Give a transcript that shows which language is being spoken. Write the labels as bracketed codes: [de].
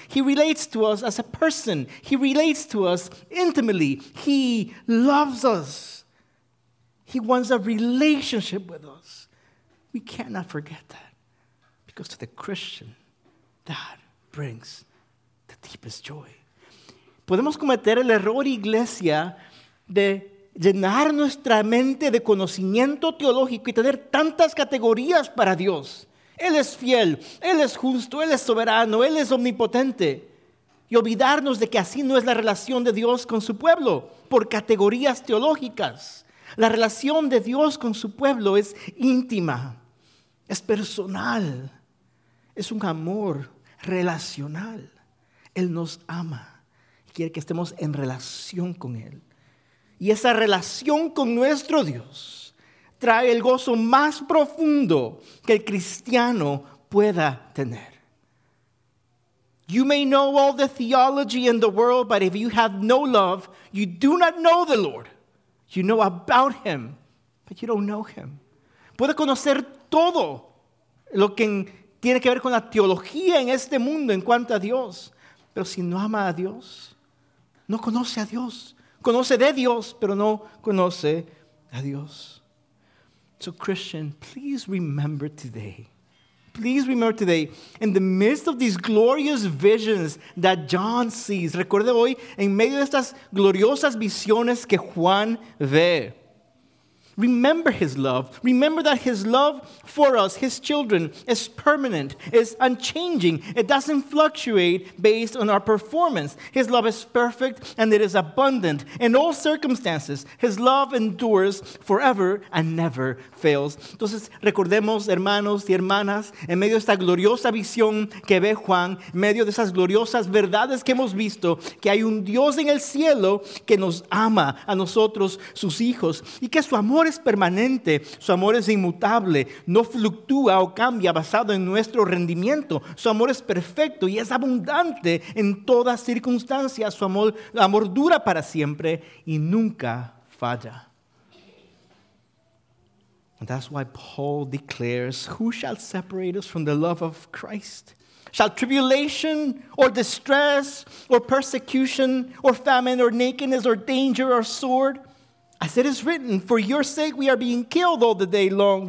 [en] He relates to us as a person. He relates to us intimately. He loves us. He wants a relationship with us. We cannot forget that because to the Christian, that brings the deepest joy. [es] Podemos cometer el error, iglesia, de llenar nuestra mente de conocimiento teológico y tener tantas categorías para Dios. Él es fiel, Él es justo, Él es soberano, Él es omnipotente. Y olvidarnos de que así no es la relación de Dios con su pueblo, por categorías teológicas. La relación de Dios con su pueblo es íntima, es personal, es un amor relacional. Él nos ama y quiere que estemos en relación con Él. Y esa relación con nuestro Dios trae el gozo más profundo que el cristiano pueda tener. [en] You may know all the theology in the world, but if you have no love, you do not know the Lord. You know about Him, but you don't know Him. [es] Puede conocer todo lo que tiene que ver con la teología en este mundo en cuanto a Dios. Pero si no ama a Dios, no conoce a Dios. Conoce de Dios, pero no conoce a Dios. [en] So Christian, please remember today. Please remember today, in the midst of these glorious visions that John sees. [es] Recuerde hoy, en medio de estas gloriosas visiones que Juan ve. [en] Remember His love. Remember that His love for us, His children, is permanent, is unchanging. It doesn't fluctuate based on our performance. His love is perfect and it is abundant. In all circumstances, His love endures forever and never fails. [es] Entonces, recordemos, hermanos y hermanas, en medio de esta gloriosa visión que ve Juan, en medio de esas gloriosas verdades que hemos visto, que hay un Dios en el cielo que nos ama a nosotros, sus hijos, y que su amor es permanente, su amor es inmutable, no fluctúa o cambia basado en nuestro rendimiento. Su amor es perfecto y es abundante en todas circunstancias. Su amor dura para siempre y nunca falla. [en] And that's why Paul declares, "Who shall separate us from the love of Christ? Shall tribulation or distress or persecution or famine or nakedness or danger or sword? As it is written, for your sake we are being killed all the day long.